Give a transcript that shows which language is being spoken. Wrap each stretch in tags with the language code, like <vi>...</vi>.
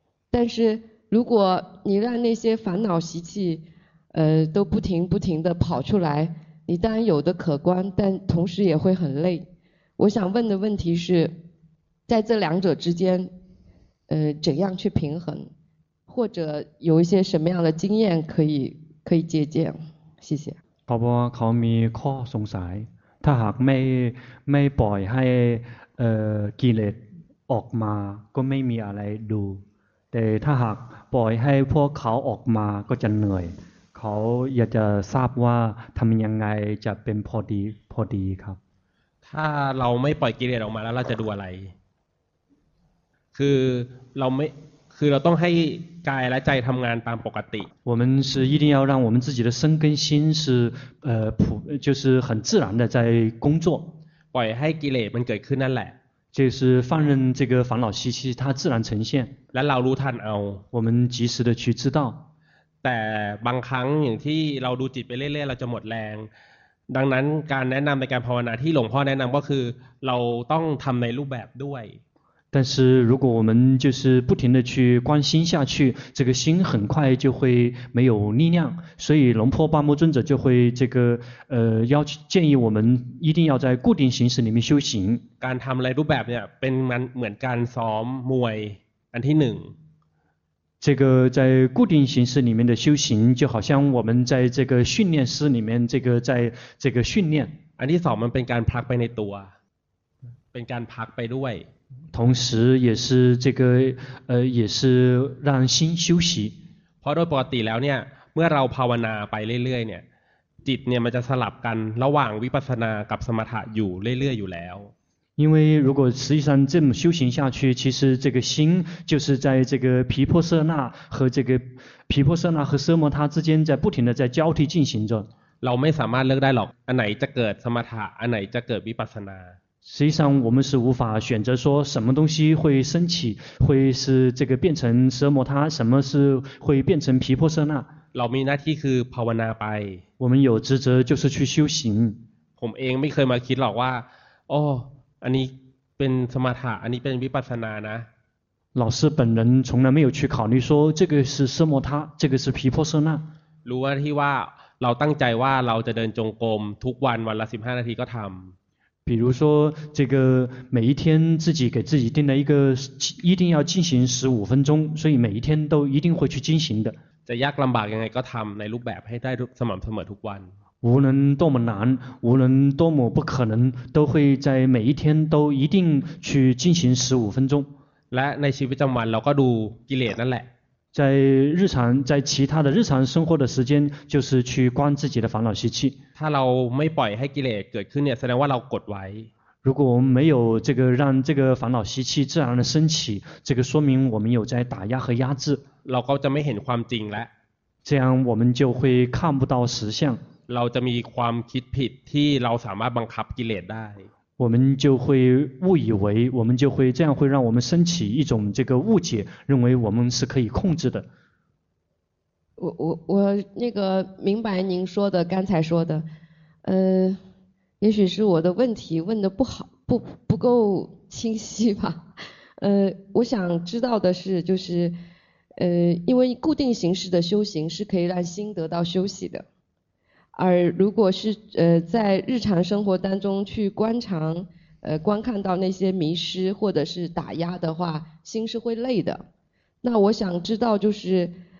<zh>但是如果你让那些烦恼习气都不停地跑出来你当然有的可观但同时也会很累我想问的问题是在这两者之间怎样去平衡或者有一些什么样的经验可以借鉴谢谢</zh> <th>宝宝เขามีข้อสงสัยถ้าหากไม่ปล่อยให้กิเลสออกมาก็ไม่มีอะไรดูแต่ถ้าหากปล่อยให้พวกเขาออกมาก็จะเหนื่อยเขาอยากจะทราบว่าทำยังไงจะเป็นพอดีครับ ถ้าเราไม่ปล่อยกิเลสออกมาแล้วเราจะดูอะไรคือเราต้องให้กายและใจทำงานตามปกติ</th> <zh>我们是一定要让我们自己的身跟心是就是很自然的在工作</zh> <th>ปล่อยให้กิเลสมันเกิดขึ้นนั่นแหละ</th> <zh>就是放任这个烦恼习气它自然呈现</zh> <th>และเรารู้ทันเอา</th> <zh>我们及时的去知道</zh> <th>แต่บางครั้งอย่างที่เราดูจิตไปเรื่อยๆเราจะหมดแรงดังนั้นการแนะนำในการภาวนาที่หลวงพ่อแนะนำก็คือเราต้องทำในรูปแบบด้วย</th> <zh>但是如果我们就是不停的去关心下去这个心很快就会没有力量所以龙婆巴木尊者就会这个要建议我们一定要在固定形式里面修行</zh> <th>การทำอะไรรูปแบบเนี่ยเป็นมันเหมือนการซ้อมมวยอันที่หนึ่ง</th> <zh>这个在固定形式里面的修行就好像我们在这个训练室里面这个在这个训练</zh> <th>อันที่สองมันเป็นการพักไปในตัวเป็นการพักไปด้วย</th> <zh>同时也是这个也是让心休息</zh> <th>เพราะโดยปกติแล้วเนี่ยเมื่อเราภาวนาไปเรื่อยๆเนี่ยจิตเนี่ยมันจะสลับกันระหว่างวิปัสสนากับสมถะอยู่เรื่อยๆอยู่แล้ว</th> <zh>因为如果实际上这么修行下去，其实这个心就是在这个毗婆舍那和这个毗婆舍那和奢摩他之间在不停的在交替进行着。</zh> <th>เราไม่สามารถเลือกได้หรอกอันไหนจะเกิดสมถะอันไหนจะเกิดวิปัสสนา</th> <zh>实际上我们是无法选择说什么东西会升起会是这个变成奢摩他什么是会变成毗婆舍那</zh> <th>เรามีหน้าที่คือภาวนาไป</th> <zh>我们有职责就是去修行</zh> <th>ผมเองไม่เคยมาคิดหรอกว่าโอ้อันนี้เป็นสมถะอันนี้เป็นวิปัสสนานะ</th> <zh>老师本人从来没有去考虑说这个是奢摩他这个是毗婆舍那</zh> <th>รู้ว่าที่ว่าเราตั้งใจว่าเราจะเดินจงกรมทุกวันวันละ15นาทีก็ทำ</th> <zh>比如说这个每一天自己给自己定了一个一定要进行15分钟所以每一天都一定会去进行的</zh> <th>จะยากลำบากยังไงก็ทำในรูปแบบให้ได้สม่ำเสมอทุกวัน</th> <zh>无论多么难无论多么不可能都会在每一天都一定去进行15分钟</zh> <th>และในชีวิตประจำวันเราก็ดูกิเลสนั่นแหละ</th> <zh>在日常在其他的日常生活的时间就是去观自己的烦恼习气</zh> <th>ถ้าเราไม่ปล่อยให้กิเลสเกิดขึ้นเนี่ยแสดงว่าเรากดไว้</th> <zh>如果我们没有这个让这个烦恼习气自然的升起这个说明我们有在打压和压制</zh> <th>เราก็จะไม่เห็นความจริงแล้ว</th> <zh>这样我们就会看不到实相</zh> <th>เราจะมีความคิดผิดที่เราสามารถบังคับกิเลสได้</th> <zh>我们就会误以为我们就会这样会让我们升起一种这个误解认为我们是可以控制的我那个明白您说的刚才说的也许是我的问题问得不好不够清晰吧我想知道的是就是因为固定形式的修行是可以让心得到休息的而如果是在日常生活当中去观察观看到那些迷失或者是打压的话心是会累的那我想知道就是</zh>